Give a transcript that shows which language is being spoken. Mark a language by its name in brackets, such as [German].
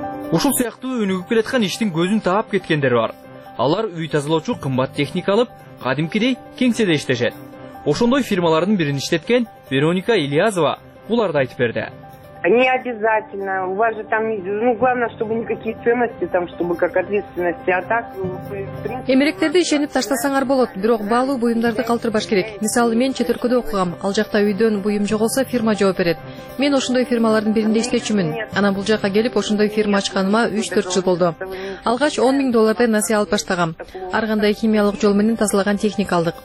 [Kyrgyz] Ушул сыяктуу өнүгүп келаткан иштин көзүн таап кеткендер бар. Алар үй тазалоочу кымбат техника алып, кадимкидей кеңседе иштешет. Ошондой фирмалардын бирин иштеткен Вероника Ильязова буларды айтып берди. [Russian] Не обязательно. У вас же там, ну, главное, чтобы никакие ценности там, чтобы как ответственности, а так, в принципе. [Kyrgyz] Эмеректерди ишенип таштасаңар болот, бирок баалуу буюмдарды калтырбаш керек. Мисалы, мен четүркөдө окугам. Ал жакта үйдөн буюм жок болсо, фирма жооп берет. Мен ошондой фирмалардын биринде иштечүмүн. Анан бул жака келип, ошондой фирма ачканыма 3-4 жыл болду. Алгач 10,000 доллардай насыя алып баштагам. Ар кандай химиялык жол менен тазалаган техника алдык.